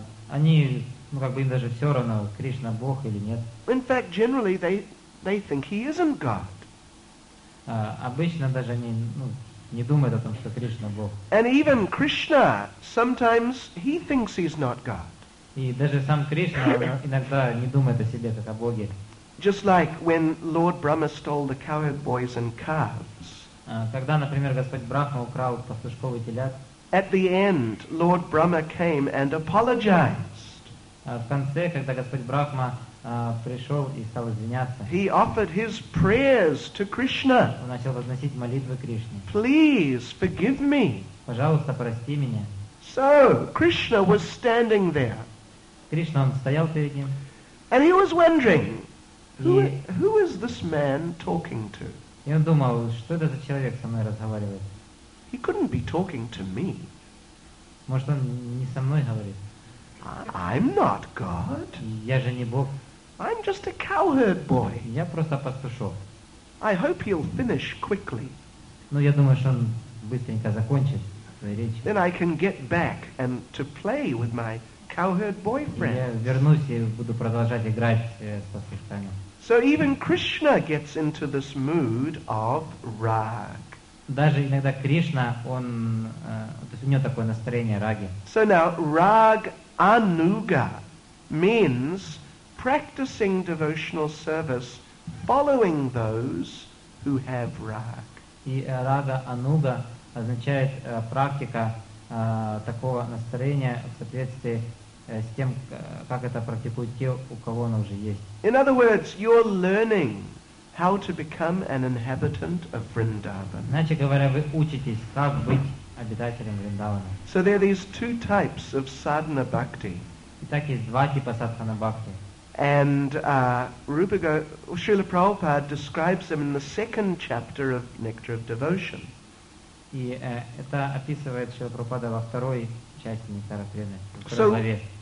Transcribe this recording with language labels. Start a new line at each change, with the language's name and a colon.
Russian: Они, ну как бы им даже все равно, Кришна Бог или нет.
English: In fact, generally they think he isn't God.
Russian: Обычно даже они, ну, не думают о том, что Кришна Бог.
English: And even Krishna, sometimes he thinks he's not God.
Russian: И даже сам Кришна иногда не думает о себе как о Боге.
English: Just like when Lord Brahma stole the cowherd boys and calves.
Russian: Когда, например, Господь Брахма украл пастушков и телят.
English: At the end, Lord Brahma came and apologized.
Russian: В конце, когда Господь Брахма пришел и стал извиняться.
English: He offered his prayers to Krishna.
Russian: Он начал возносить молитвы Кришне.
English: Please forgive me.
Russian: Пожалуйста, прости меня.
English: So Krishna was standing there.
Russian: Кришна стоял перед ним.
English: And he was wondering. Who is this man talking to?
Russian: И он думал, что это за человек со мной разговаривает?
English: He couldn't be talking to me.
Russian: Может, он не со мной говорит?
English: I'm not God.
Russian: Я же не Бог.
English: I'm just a cowherd boy.
Russian: Я просто пастушок.
English: I hope he'll finish quickly.
Russian: Ну, я думаю, что он быстренько закончит свою речь.
English: Then I can get back and to play with my cowherd boyfriend.
Russian: Я вернусь и буду продолжать играть с пастушками.
English: So even Krishna gets into this mood of rag.
Russian: Даже иногда Кришна, он, то есть у него такое настроение раги.
English: So now rag anuga means practicing devotional service following those who have rag.
Russian: И рага ануга означает практика такого настроения в соответствии с тем, как это практикуют те, у кого оно уже есть.
English: In other words, you're learning how to become an inhabitant of Vrindavan.
Russian: Иначе говоря, вы учитесь, как быть обитателем Вриндавана.
English: So there are these two types of sadhana bhakti.
Russian: Итак, есть два типа sadhana bhakti.
English: And Srila Prabhupada describes them in the second chapter of Nectar of Devotion.
Russian: И это описывает Шрила Прабхупада во второй части Нектара Премы.